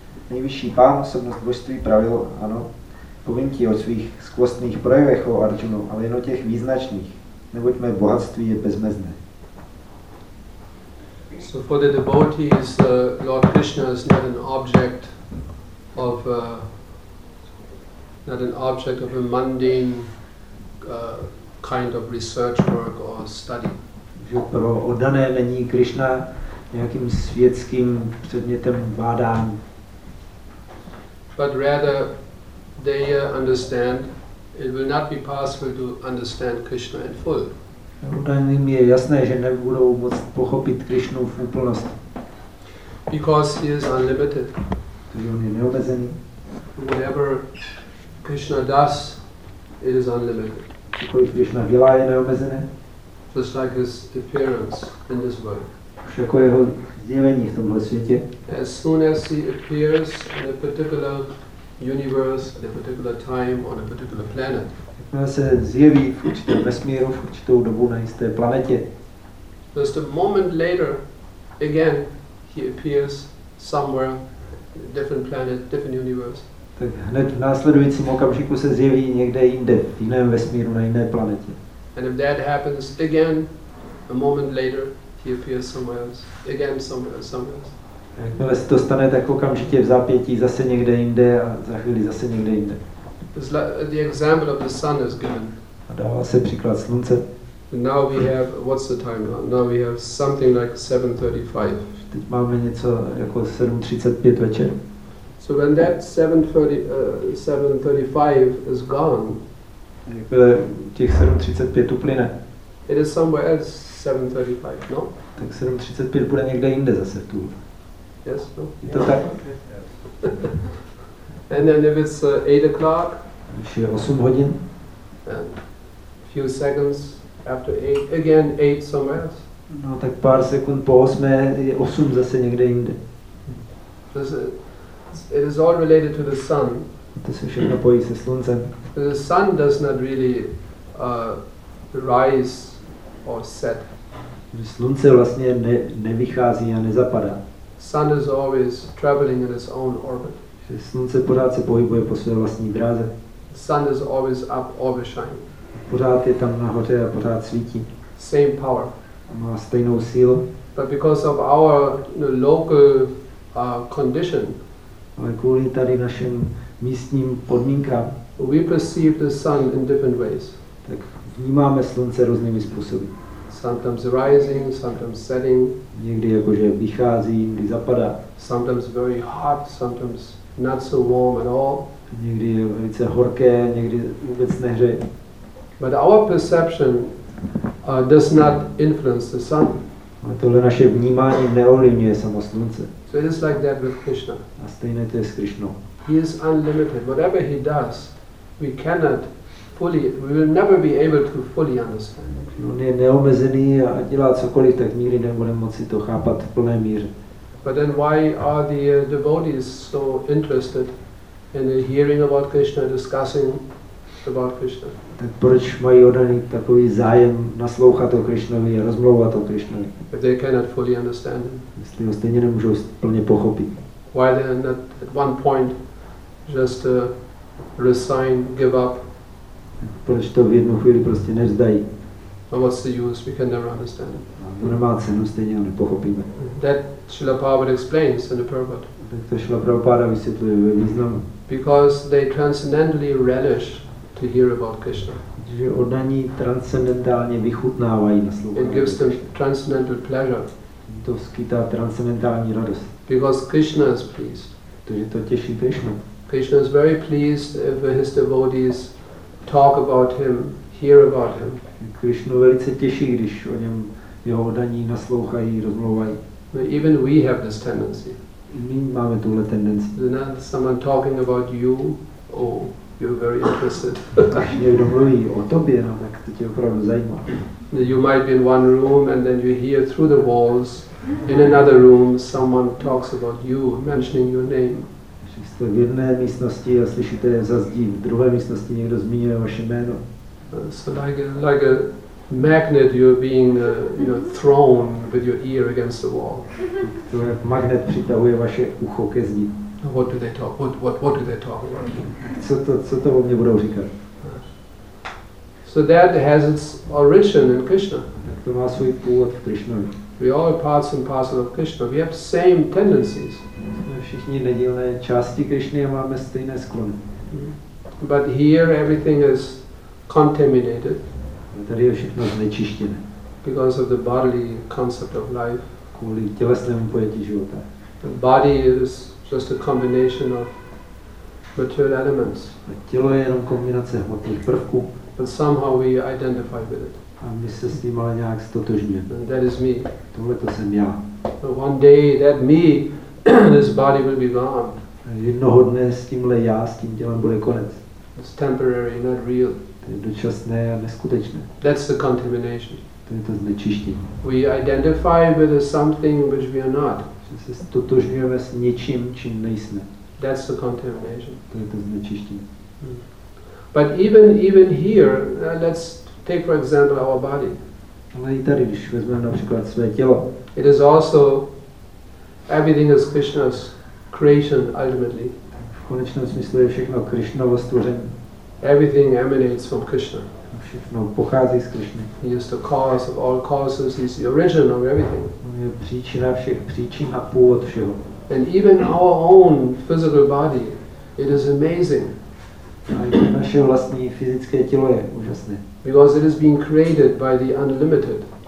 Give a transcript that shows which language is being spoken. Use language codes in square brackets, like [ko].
[cs] Nejvyšší pán osobnost božství pravil, ano, povím ti o svých skvostných projevech, o Arjuno, ale jen o těch význačných, neboť mé bohatství je bezmezné. [en] So for the devotees, Lord Krishna is not an object of a mundane kind of research work or study. [cs] Že pro oddané není Krišna nějakým světským předmětem bádání. [en] But rather they understand it will not be possible to understand Krishna in full. [cs] Oddaným je jasné, že nebudou moct pochopit Krišnu v úplnosti. [en] Because he is unlimited. [cs] Protože on je neomezený. [en] Whatever Krishna does, it is unlimited. [cs] Cokoliv Krishna dělá, je neomezené. [en] Just like his appearance in this world. [cs] Už jako jeho zjevení v tomhle světě. [en] As soon as he appears in a particular universe, at a particular time, on a particular planet. [cs] Jakmile se zjeví v určitém vesmíru, v určitou dobu na jisté planetě. [en] Just a moment later, again, he appears somewhere, different planet, different universe. [cs] Tak hned v následujícím okamžiku se zjeví někde jinde, v jiném vesmíru, na jiné planetě. [en] And if that happens again, a moment later, he appears somewhere else, again somewhere else. [cs] Jakmile se to stane, tak okamžitě v zápětí zase někde jinde a za chvíli zase někde jinde. [en] The example of the sun is given. [cs] A dává se příklad slunce. [en] And now we have, what's the time now? Now we have something like 7:35. [cs] Teď máme něco jako 7:35 večer. [en] So when that 7:35 is gone, [cs] těch 7:35 uplyne, [en] it is somewhere else 7:35, no? [cs] Tak 7:35 bude někde jinde zase tu. [en] Yes, no? [cs] Je to tak? [en] And then if it's 8 o'clock, [cs] když je 8 hodin, [en] few seconds after 8, again 8 somewhere else. [cs] No, tak pár sekund po 8 je 8 zase někde jinde. [en] It is all related to the sun. [cs] To se všechno pojí se sluncem. [en] The sun does not really rise or set. [cs] Slunce vlastně nevychází a nezapadá. [en] Sun is always traveling in its own orbit. [cs] Slunce pořád se pohybuje po své vlastní dráze. [en] Sun is always up, always shining. [cs] Pořád je tam nahoře a pořád svítí. [en] Same power. [cs] Má stejnou sílu. [en] But because of our local condition. [cs] Ale kvůli tady našim místním podmínkám. [en] We perceive the sun in different ways. [cs] Tak vnímáme slunce různými způsoby. [en] Sometimes rising, sometimes setting. [cs] Někdy jakože vychází, někdy zapadá. [en] Sometimes very hot, sometimes not so warm at all. [cs] Někdy je velice horké, někdy vůbec nehřeje. [en] But our perception does not influence the sun. [cs] A tohle naše vnímání neovlivňuje samo slunce. [en] So it is like that with Krishna. [cs] A stejné to je s Krišnou. [en] He is unlimited. Whatever he does, we cannot fully, we will never be able to fully understand. [cs] On je neomezený a dělá cokoliv, tak nikdy nebudeme moci to chápat v plné míře. [en] But then why are the devotees so interested in hearing about Krishna, discussing about Krishna? [cs] Tak proč mají oddaní takový zájem naslouchat o Krishnovi a rozmlouvat o Krishnovi? [en] If they cannot fully understand him. [cs] Jestli ho stejně nemůžou plně pochopit. [en] Why then at one point just resign, give up? [cs] Proč to v jednu chvíli prostě nevzdají? [en] But what's the use? We can never understand it. [cs] To nemá cenu, stejně ho nepochopíme. [en] That Srila Prabhupada explains in the Purport. [cs] To Srila Prabhupada vysvětluje ve významu. [en] Because they transcendentally relish to hear about Krishna. [cs] Že oddaní transcendentálně vychutnávají na slovo. [en] It gives them transcendental pleasure. [cs] To skýtá transcendentální radost. [en] Because Krishna is pleased. [cs] Protože to těší Krishna. [en] Krishna is very pleased if his devotees talk about him, hear about him. [cs] Krishna velice těší, když o něm jeho oddaní naslouchají, rozmlouvají. [en] But even we have this tendency. [cs] My máme tuhle tendenci. [en] Is not someone talking about you, oh, you're very interested. [cs] Až někdo mluví o tobě, no, tak to tě opravdu zajímá. [en] You might be in one room and then you hear through the walls, in another room someone talks about you, mentioning your name. [cs] Jste v jedné místnosti a slyšíte za zdí, v druhé místnosti někdo zmíní vaše jméno. [en] So like a magnet, you're being thrown with your ear against the wall. [cs] To je magnet, přitahuje vaše ucho ke zdi. [en] What do they talk? What do they talk about? [cs] Co to o mě budou říkat? [en] So that has its origin in Krishna. [cs] Tak to má svůj původ v Krišnovi. [en] We all are parts and parcels of Krishna. We have same tendencies. [cs] Všichni nedílné části Krišny a máme stejné sklony. [en] But here everything is contaminated. [cs] Tady je všechno znečištěné. [en] Because of the bodily concept of life. [cs] Kvůli tělesnému pojetí života. [en] The body is just a combination of material elements. [cs] A tělo je jenom kombinace hmotných prvků. [en] But somehow we identify with it. [cs] A my se s tím ale nějak stotožňujeme. [en] And that is me. [cs] Tohle to jsem já. [en] So one day that me, this body will be gone. [cs] A jednoho dne s tímhle já, s tím tělem bude konec. [en] It's temporary, not real. [cs] To je dočasné a neskutečné. [en] That's the contamination. [cs] To je to znečištění. [en] We identify with something which we are not. [cs] Že se stotožňujeme s něčím, čím nejsme. [en] That's the contamination. [cs] To je to znečištění. [en] But even here, let's take for example our body. [cs] Ale i tady, když vezmeme například své tělo. [en] It is also, everything is Krishna's creation ultimately. [cs] V konečném smyslu je všechno Krishnovo stvoření. [en] Everything emanates from Krishna. [cs] Všechno pochází z Krishny. [en] He is the cause of all causes. He is the origin of everything. [cs] On je příčina všech příčin a původ všeho. [en] And even our own physical body, it is amazing. [cs] A i naše vlastní fyzické tělo je úžasné. [en] Because it is being created by the unlimited.